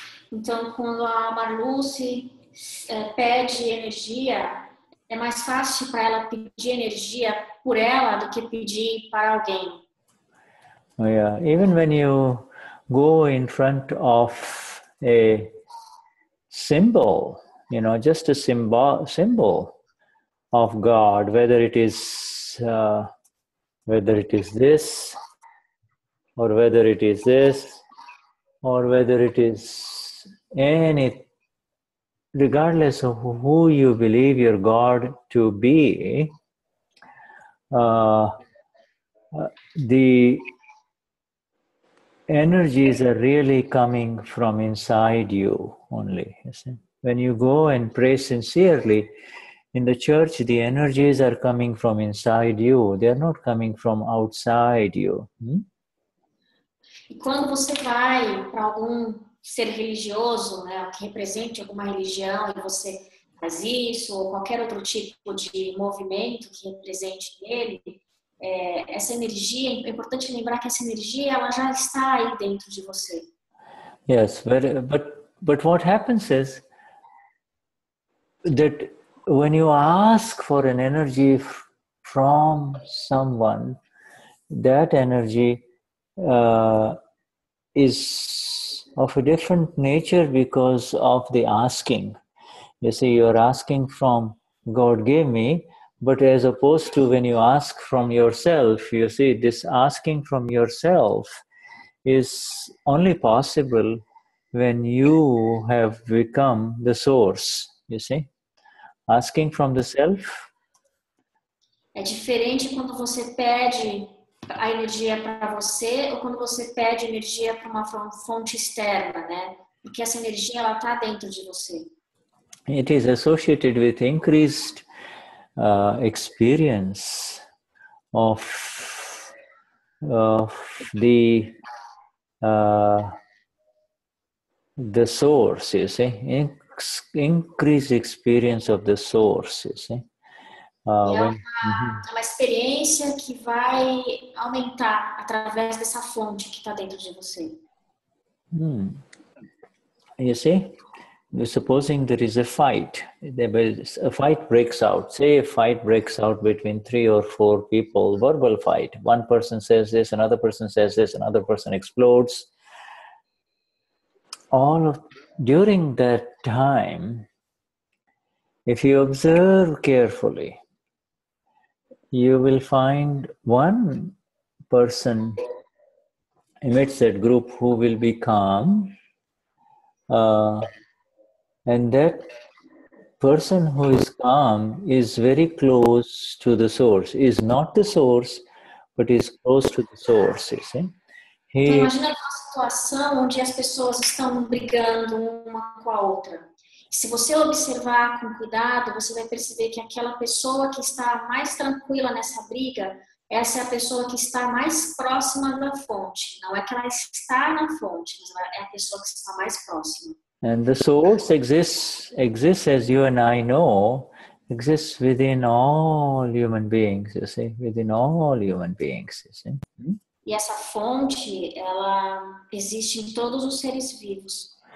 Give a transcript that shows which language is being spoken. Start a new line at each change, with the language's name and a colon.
Portuguese: Então, quando a Marluce pede energia, é mais fácil para ela pedir energia por ela do que pedir para alguém.
English: Yeah, even when you go in front of a symbol, you know, just a symbol of God, whether it is this, or whether it is any, regardless of who you believe your God to be, the energies are really coming from inside you only. You see? When you go and pray sincerely in the church, the energies are coming from inside you. They are not coming from outside you.
Portuguese: E quando você vai para algum ser religioso, né, que represente alguma religião, e você faz isso, ou qualquer outro tipo de movimento que represente ele, essa energia, é importante lembrar que essa energia, ela já está aí dentro de você.
English: Yes, but what happens is that when you ask for an energy from someone, that energy is of a different nature because of the asking. You see, you're asking from God gave me. But as opposed to when you ask from yourself, you see, this asking from yourself is only possible when you have become the source, you see. Asking from the self.
Portuguese: É diferente quando você pede a energia para você ou quando você pede energia para uma fonte externa, né? Porque essa energia ela está dentro de você.
English: It is associated with increased experience of the source, you see, increased experience of the source, you see.
Portuguese: É uma experiência que vai aumentar através dessa fonte que está dentro de você.
English: You see? Supposing there is a fight, a fight breaks out. Say a fight breaks out between three or four people, verbal fight. One person says this, another person says this, another person explodes. All of during that time, if you observe carefully, you will find one person amidst that group who will be calm. And that person who is calm is very close to the source, is not the source, but is close to the source, you see?
Portuguese: Imagina uma situação onde as pessoas estão brigando uma com a outra. Se você observar com cuidado, você vai perceber que aquela pessoa que está mais tranquila nessa briga, essa é a pessoa que está mais próxima da fonte. Não é que ela está na fonte, mas ela é a pessoa que está mais próxima.
English: And the source exists as you and I know, exists within all human beings, you see, within all human beings, you see.
Portuguese: E essa fonte, ela existe em todos os seres vivos.